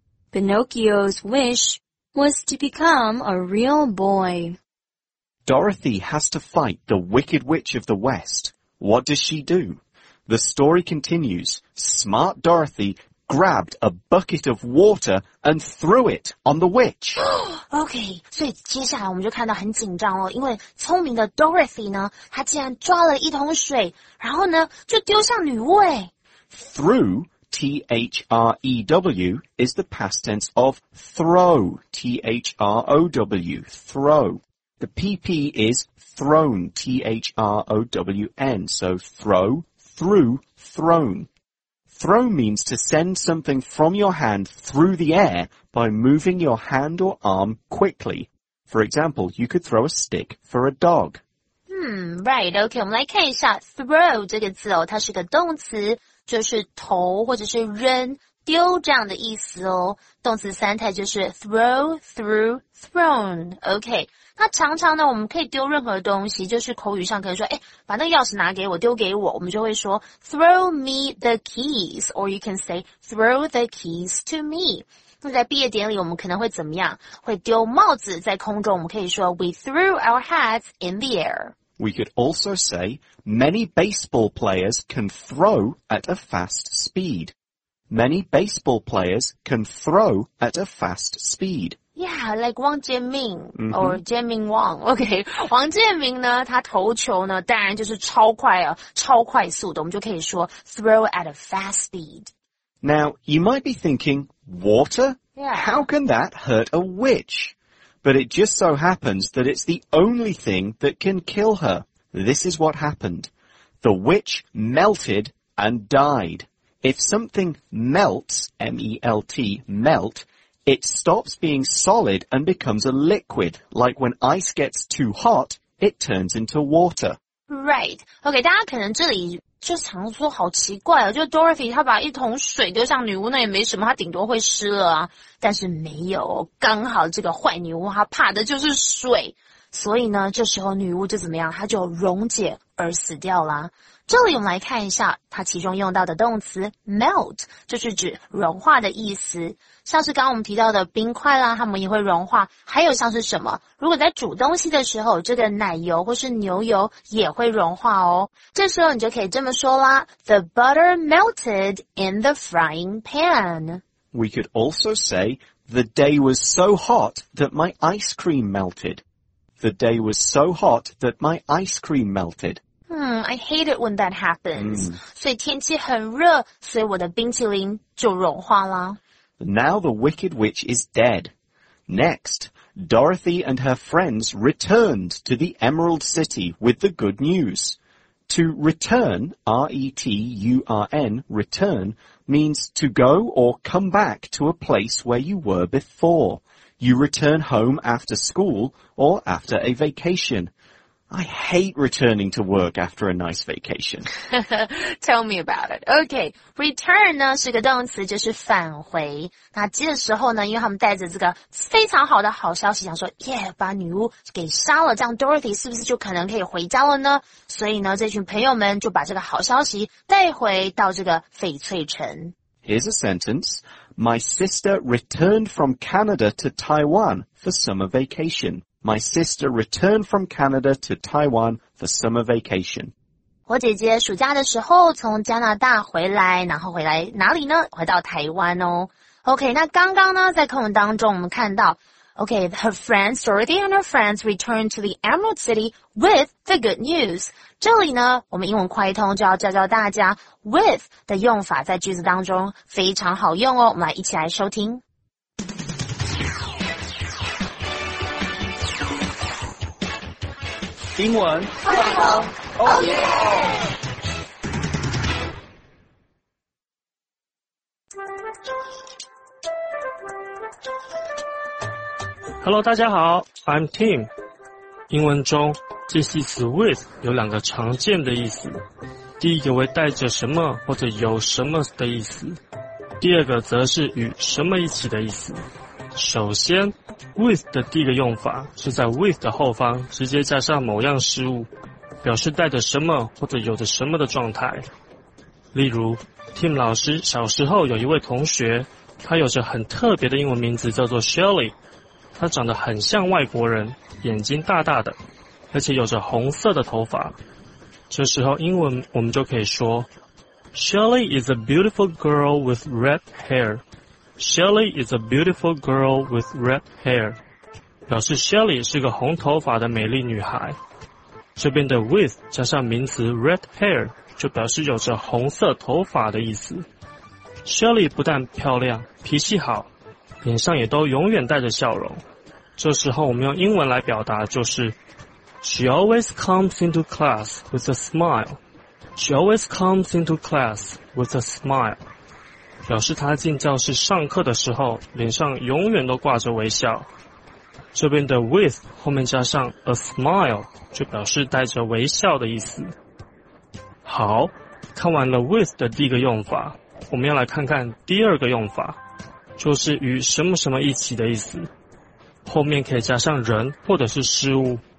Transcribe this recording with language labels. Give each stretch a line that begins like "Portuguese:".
English: Pinocchio's wish was to become a real boy. Dorothy has to fight the Wicked Witch of the West. What does she do? The story continues. Smart Dorothy grabbed a bucket of water and threw it on the witch.
Chinese: Okay, 所以接下来我们就看到很紧张哦，因为聪明的 Dorothy 呢，她竟然抓了一桶水，然后呢，就丢向女巫诶。
English: Threw, T-H-R-E-W, is the past tense of throw, T-H-R-O-W, throw. The P-P is thrown, T-H-R-O-W-N, so throw, through, thrown. Throw means to send something from your hand through the air by moving your hand or arm quickly. For example, you could throw a stick for a dog.
Chinese: Right, okay, 我们来看一下 throw 这个字哦，它是个动词，就是投或者是扔、丢这样的意思哦。动词三态就是
English: throw, through, thrown.
Chinese: Okay, 那常常呢，我们可以丢任何东西，就是口语上可能说，哎，把那个钥匙拿给我，丢给我，我们就会说
English: throw me the keys, or you can say throw the keys to me.
Chinese: 那在毕业典礼，我们可能会怎么样？会丢帽子在空中，我们可以说
English: we threw our hats in the air. We could also say, many baseball players can throw at a fast speed. Many baseball players can throw at a fast speed. Yeah, like Wang Jianming or Jianming Wang.
Chinese: Okay, Wang Jianming 呢，他投球呢，当然就是超快啊，超快速的。我们就可以说
English: throw at a fast speed. Now, you might be thinking, water? Yeah. How can that hurt a witch? But it just so happens that it's the only thing that can kill her. This is what happened. The witch melted and died. If something melts, M-E-L-T, melt, it stops being solid and becomes a liquid. Like when ice gets too hot, it turns into water. Right.
Chinese: Okay, 大家可能这里就常说好奇怪哦，就 Dorothy 她把一桶水丢向女巫那也没什么，她顶多会湿了啊。但是没有，刚好这个坏女巫她怕的就是水。所以呢，这时候女巫就怎么样，她就溶解而死掉啦。这里我们来看一下它其中用到的动词 melt 就是指融化的意思，像是刚刚我们提到的冰块啦，它们也会融化，还有像是什么，如果在煮东西的时候，这个奶油或是牛油也会融化哦，这时候你就可以这么说啦，
English: The butter melted in the frying pan. We could also say The day was so hot that my ice cream melted. The day was so hot that my ice cream melted I hate it when that happens.
Chinese: So, 天气很热，所以我的冰淇淋就融化了。
English: Now the Wicked Witch is dead. Next, Dorothy and her friends returned to the Emerald City with the good news. To return, R-E-T-U-R-N, return, means to go or come back to a place where you were before. You return home after school or after a vacation. I hate returning to work after a nice vacation. Tell me about it.
Chinese: Okay, return 呢是个动词，就是返回。那这个时候呢，因为他们带着这个非常好的好消息，想说耶，把女巫给杀了，这样 Dorothy 是不是就可能可以回家了呢？所以呢，这群朋友们就把这个好消息带回到这个翡翠城。
English: Here's a sentence. My sister returned from Canada to Taiwan for summer vacation. My sister returned from Canada to Taiwan for summer vacation.
Chinese: 我姐姐暑假的时候从加拿大回来，然后回来哪里呢？回到台湾哦。
English: OK,
Chinese: 那刚刚呢，在课文当中我们看到
English: OK, her friends, Dorothy and her friends returned to the Emerald City with the good news.
Chinese: 这里呢，我们英文快通就要教教大家 with 的用法在句子当中非常好用哦。我们来一起来收听。英文快通 ，
English: Oh yeah! Hello,
Chinese: 大家好
English: ，I'm Tim。
Chinese: 英文中介系词 with 有两个常见的意思，第一个为带着什么或者有什么的意思，第二个则是与什么一起的意思。首先 with 的第一个用法是在 with 的后方直接加上某样事物，表示带着什么或者有着什么的状态。例如 Tim 老师小时候有一位同学，他有着很特别的英文名字叫做 Shelley， 他长得很像外国人，眼睛大大的，而且有着红色的头发。这时候英文我们就可以说
English: Shelley is a beautiful girl with red hairShelley is a beautiful girl with red hair.
Chinese: 表示 Shelley 是个红头发的美丽女孩。这边的 with 加上名词 red hair 就表示有着红色头发的意思。 Shelley 不但漂亮，脾气好，脸上也都永远带着笑容。这时候我们用英文来表达就是
English: She always comes into class with a smile. She always comes into class with a smile.
Chinese: 表示他进教室上课的时候脸上永远都挂着微笑。这边的 with 后面加上 a smile 就表示带着微笑的意思。好，看完了 with 的第一个用法，我们要来看看第二个用法，就是与什么什么一起的意思，后面可以加上人或者是事物。